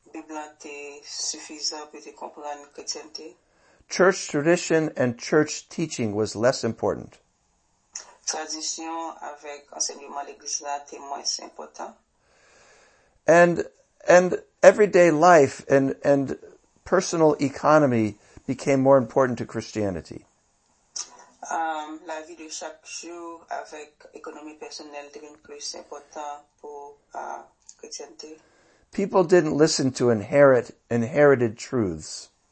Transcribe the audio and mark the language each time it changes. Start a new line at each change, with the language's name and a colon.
French: règles te suffisent pour te comprendre la chrétienté.
English: Church tradition and church teaching was less important.
French: Tradition avec enseignement l'église là était moins important.
English: And everyday life and personal economy became more important to Christianity.
French: La vie de chaque jour avec économie personnelle devient plus important pour la chrétienté.
English: People didn't listen to inherited truths.